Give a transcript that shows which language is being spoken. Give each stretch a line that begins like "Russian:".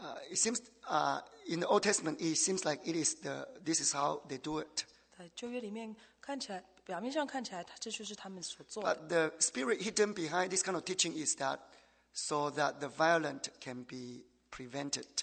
English: It seems in the Old Testament, it seems like it is the this is how they do it.
Chinese: 在旧约里面看起来。表面上看起来，这就是他们所做的。
English: But the spirit hidden behind this kind of teaching is that so that the violent can be prevented.